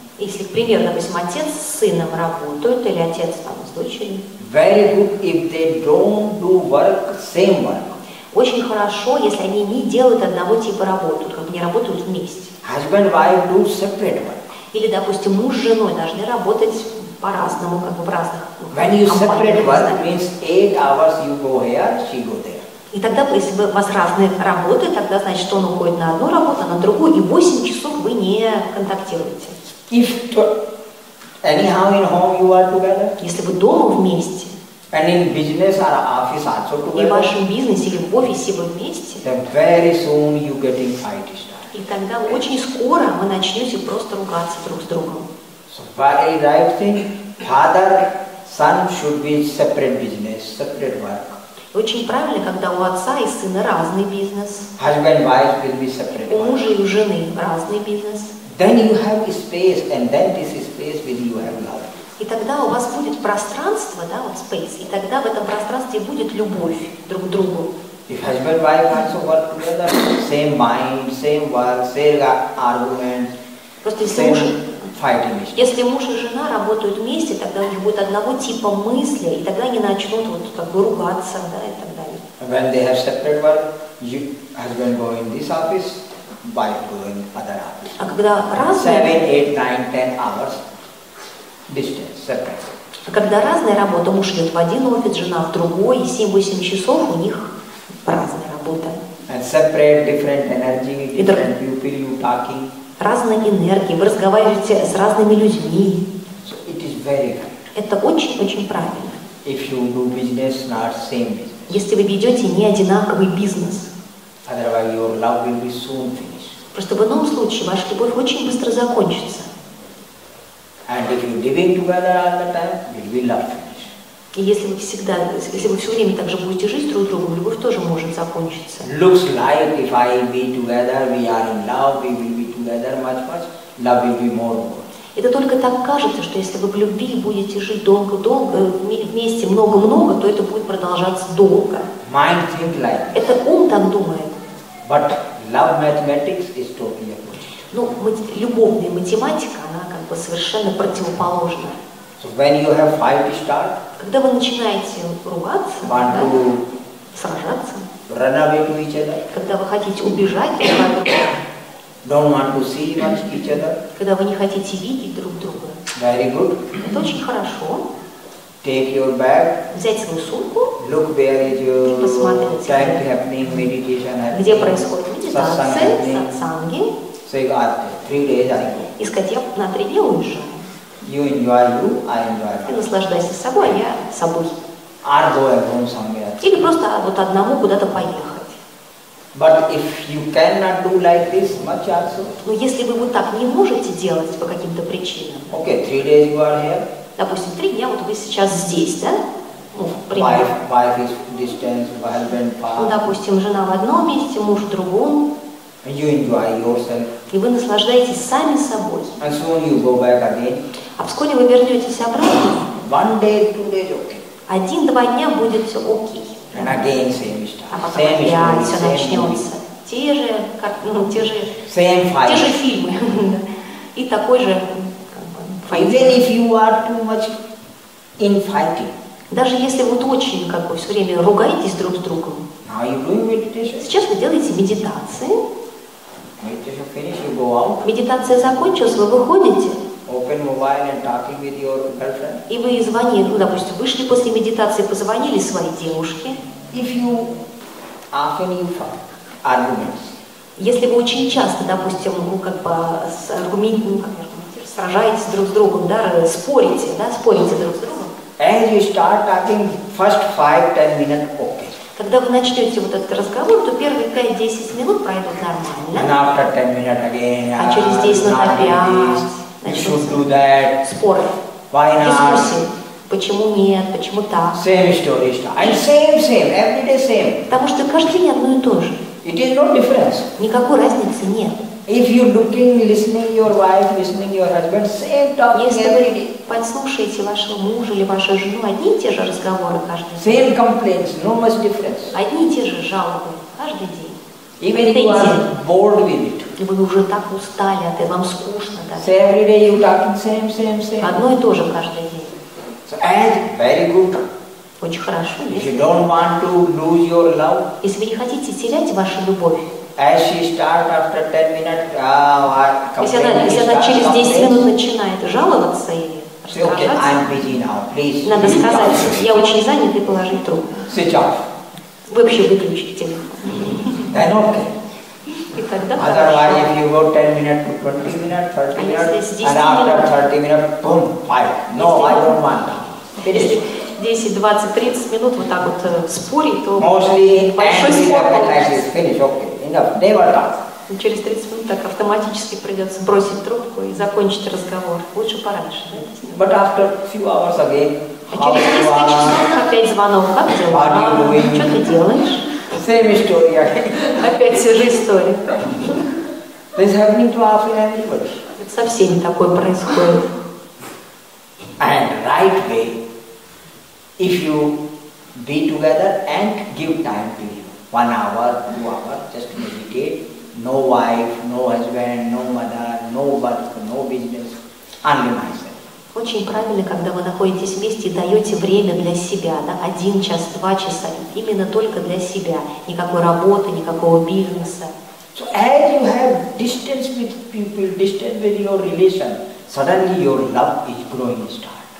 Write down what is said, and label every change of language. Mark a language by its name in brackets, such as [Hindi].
[Russian] Если, к примеру, допустим, отец с сыном работают или отец там с дочерью. [English] Very good if they don't do work same work. [Russian] Очень хорошо, если они не делают одного типа работы, как бы не работают вместе. [English] Husband wife do separate work. [Russian] Или, допустим, муж с женой должны работать по-разному, как бы в разных. [English] When you separate work, means 8 hours you go here, she go there. [Russian] И тогда, если у вас разные работы, тогда значит, он уходит на одну работу, а на другую, и 8 часов вы не контактируете. [English] If anyhow in home you are together. [Russian] Если вы дома вместе. [English] And in business or office also together. [Russian] И в вашем бизнесе или в офисе вы вместе. [English] Then very soon you getting fighting start. [Russian] И тогда очень скоро вы начнете просто ругаться друг с другом. [English] So very right thing. Father, son should be separate business, separate work. [Russian] Очень правильно, когда у отца и сына разный бизнес. [English] Husband, wife will be separate. [Russian] У мужа и у жены разный бизнес. [English] Then you have space, and then this space will you have love. [Russian] И тогда у вас будет пространство, да, вот space, и тогда в этом пространстве будет любовь друг к другу. [English] If husband, wife also work together, same mind, same work, same argument. [Russian] Просто если муж, если муж и жена работают вместе, тогда у них будет одного типа мысли, и тогда они начнут вот как бы ругаться, да, и так далее. [English] When they have separate work, you, husband go in this office, wife go in other office. [Russian] А когда разные... [English] 7, 8, 9, 10 hours. Distance, separate. [Russian] А когда разная работа, муж идет в один офис, жена в другой, и 7-8 часов у них разная работа. [English] And separate, different energy, different people you talking. [Russian] Разные энергии, вы разговариваете с разными людьми. [English] So it is very right. [Russian] Это очень-очень правильно. [English] If you do business, not same business. [Russian] Если вы ведете не одинаковый бизнес. [English] Otherwise your love will be soon finished. [Russian] Просто в ином случае ваша любовь очень быстро закончится. [English] And if you're living together all the time, will be love finished. [Russian] И если вы всегда, если вы все время так же будете жить друг с другом, любовь тоже может закончиться. [English] Looks like if I be together, we are in love, we will be together much, much, love will be more and more. [Russian] Это только так кажется, что если вы в любви будете жить долго-долго, вместе много-много, то это будет продолжаться долго. [English] Mind think like this. [Russian] Это ум так думает. [English] But love mathematics is totally opposite. [Russian] Ну, любовная математика, она как бы совершенно противоположна. [English] So when you have fight start, [Russian] когда вы начинаете ругаться, [English] want [Russian] да, [English] to [Russian] сражаться, [English] run away to each other, [Russian] когда вы хотите убежать, [English] don't want to see much each other, [Russian] когда вы не хотите видеть друг друга, [English] very good. [Russian] Это очень хорошо. [English] Take your bag, [Russian] взять свою сумку, [English] look where is your [Russian] и посмотреть, [English] time happening, meditation happening, [Russian] где происходит медитация, сатсанги. [English] Say God, 3 days I go. [Russian] И сказать, я на 3 дня уезжаю. [English] You enjoy you, I enjoy. [Russian] Ты наслаждайся собой, а я собой. [English] Or go alone somewhere. [Russian] Или просто вот одному куда-то поехать. [English] But if you cannot do like this much also. [Russian] Но если вы вот так не можете делать по каким-то причинам. [English] Okay, 3 days you are here. [Russian] Допустим, 3 дня вот вы сейчас здесь, да? [English] Wife is distance, husband far. [Russian] Ну, допустим, жена в одном месте, муж в другом. [English] You enjoy yourself. [Russian] И вы наслаждаетесь сами собой. [English] And soon you go back again. [Russian] А вскоре вы вернетесь обратно. [English] One day, 2 days, okay. [Russian] 1-2 дня будет все окей. [English] And again same stuff. [Russian] А потом [English] same [Russian] опять все начнется. Те же фильмы. И такой же [English] Even if you are too much in fighting. [Russian] Даже если вот очень как бы все время ругаетесь друг с другом. [English] Now you do meditation. [Russian] Сейчас вы делаете медитации. [English] Meditation finish, you go out. [Russian] Медитация закончилась, вы выходите. [English] Open mobile and talking with your girlfriend. [Russian] И вы звоните, ну, допустим, вышли после медитации, позвонили своей девушке. [English] If you often you fight arguments. [Russian] Если вы очень часто, допустим, ну, как бы с аргументами сражаетесь друг с другом, да, спорите, да, спорите друг с другом. [English] As you start talking, first 5-10 minutes, okay. [Russian] Когда вы начнете вот этот разговор, то первые 5-10 минут пройдут нормально. [English] And after 10 minutes again, [Russian] а через 10 минут опять споры. [English] Why not? [Russian] Дискуссии. Почему нет? Почему так? [English] Same story. And same, every day same. [Russian] Потому что каждый день одно и то же. [English] It is no difference. [Russian] Никакой разницы нет. [English] If you're looking, listening your wife, listening your husband, same talking [Russian] если [English] every day. [Russian] Если вы подслушаете вашего мужа или вашу жену, одни и те же разговоры каждый [English] same [Russian] день. [English] Same complaints, no much difference. [Russian] Одни и те же жалобы каждый день. [English] Even if you are bored with it. [Russian] И вы уже так устали от этого, вам скучно. Да? [English] So every day you're talking same. [Russian] Одно и то же каждый день. [English] So, and very good. [Russian] Очень хорошо. [English] If you don't want to lose your love. [Russian] Если вы не хотите терять вашу любовь. [English] As she start after 10 minutes, [Russian] если она через 10 минут начинает жаловаться и раздражаться, надо сказать, я очень занят и положить трубку. Вообще выключить телефон. [English] Okay. [Russian] И тогда [English] otherwise, if you go 10 minutes to 20 minutes, 30 minutes, and after 30 minutes, boom, fire. No, I don't want that. [Russian] 10, 20, 30 минут вот так вот спорить, то [English] mostly [Russian] большой спор получается. [English] Finish, okay. Enough. Never. [Russian] Через 30 минут так автоматически придется бросить трубку и закончить разговор. Лучше пораньше. Да? [English] But after few hours again, [Russian] а через 10 [English] you are... [Russian] часов опять звонок. Как дела? Что ты делаешь? [English] Same story. [Russian] Опять те же истории. [English] This happening to half an hour. [Russian] Это со всеми такое происходит. [English] And right way, if you be together and give time to you, 1 hour, 2 hours, just meditate, no wife, no husband, no mother, no work, no business, only myself. [Russian] Очень правильно, когда вы находитесь вместе, даете время для себя, да, 1 час, 2 часа, именно только для себя, никакой работы, никакого бизнеса. [English] So as you have distance with people, distance with your relation, suddenly your love is growing strong.